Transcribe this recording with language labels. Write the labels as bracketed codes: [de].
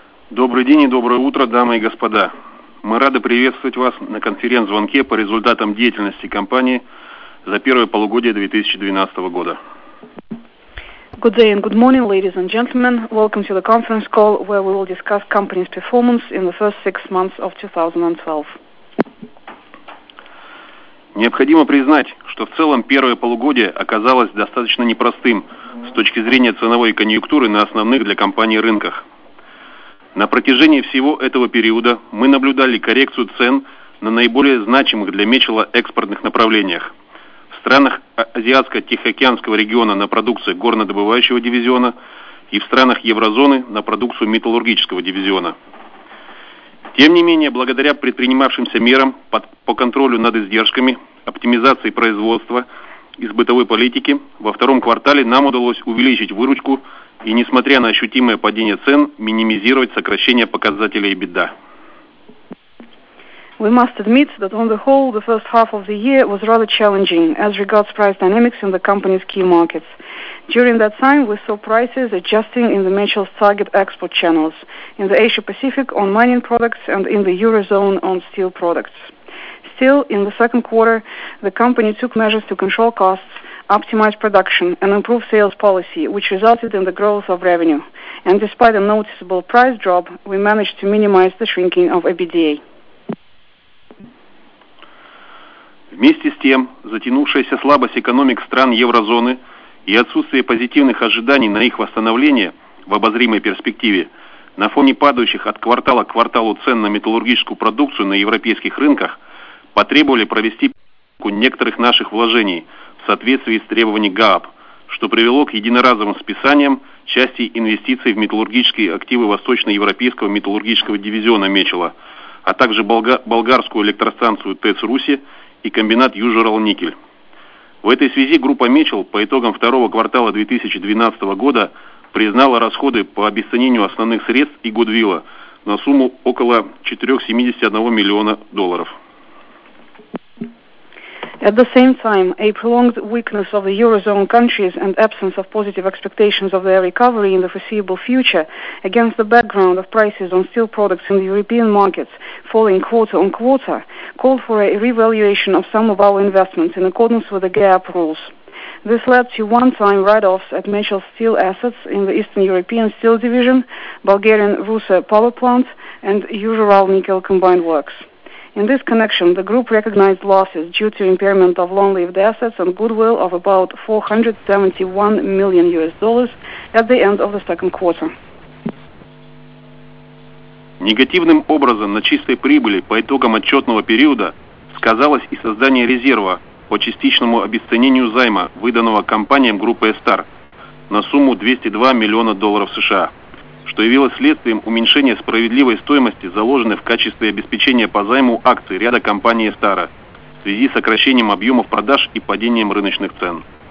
[ru] Добрый день и доброе утро, дамы и господа. Мы рады приветствовать вас на конференц-звонке по результатам деятельности компании за первое полугодие 2012 года. [en] Good day and good morning, ladies and gentlemen. Welcome to the conference call where we will discuss company's performance in the first six months of 2012. [ru] Необходимо признать, что в целом первое полугодие оказалось достаточно непростым с точки зрения ценовой конъюнктуры на основных для компании рынках. На протяжении всего этого периода мы наблюдали коррекцию цен на наиболее значимых для Мечела экспортных направлениях. В странах Азиатско-Тихоокеанского региона на продукцию горнодобывающего дивизиона и в странах еврозоны на продукцию металлургического дивизиона. Тем не менее, благодаря предпринимавшимся мерам по контролю над издержками, оптимизации производства и сбытовой политики, во втором квартале нам удалось увеличить выручку и, несмотря на ощутимое падение цен, минимизировать сокращение показателей EBITDA. [en] We must admit that on the whole, the first half of the year was rather challenging as regards price dynamics in the company's key markets. During that time, we saw prices adjusting in the Mitchell's target export channels, in the Asia-Pacific on mining products and in the Eurozone on steel products. Still, in the second quarter, the company took measures to control costs, optimize production, and improve sales policy, which resulted in the growth of revenue. And despite a noticeable price drop, we managed to minimize the shrinking of EBITDA. [ru] Вместе с тем, затянувшаяся слабость экономик стран еврозоны и отсутствие позитивных ожиданий на их восстановление в обозримой перспективе на фоне падающих от квартала к кварталу цен на металлургическую продукцию на европейских рынках потребовали провести перерывку некоторых наших вложений в соответствии с требованиями ГААП, что привело к единоразовым списаниям части инвестиций в металлургические активы Восточноевропейского металлургического дивизиона Мечела, а также болгарскую электростанцию ТЭЦ Руси и комбинат Южерал Никель. В этой связи группа Мечел по итогам второго квартала 2012 года признала расходы по обесценению основных средств и гудвилла на сумму около 471 миллиона долларов. [en] At the same time, a prolonged weakness of the Eurozone countries and absence of positive expectations of their recovery in the foreseeable future, against the background of prices on steel products in the European markets falling quarter on quarter, called for a revaluation of some of our investments in accordance with the GAAP rules. This led to one-time write-offs at Mitchell Steel Assets in the Eastern European Steel Division, Bulgarian Rusa Power Plant, and Ural Nickel Combined Works. In this connection, the group recognized losses due to impairment of long-lived assets and goodwill of about 471 million US dollars at the end of the second quarter. [ru] Негативным образом на чистой прибыли по итогам отчетного периода сказалось и создание резерва по частичному обесценению займа, выданного компаниям группы Эстар, на сумму 202 миллиона долларов США. Что явилось следствием уменьшения справедливой стоимости, заложенной в качестве обеспечения по займу акций ряда компаний Стара в связи с сокращением объемов продаж и падением рыночных цен.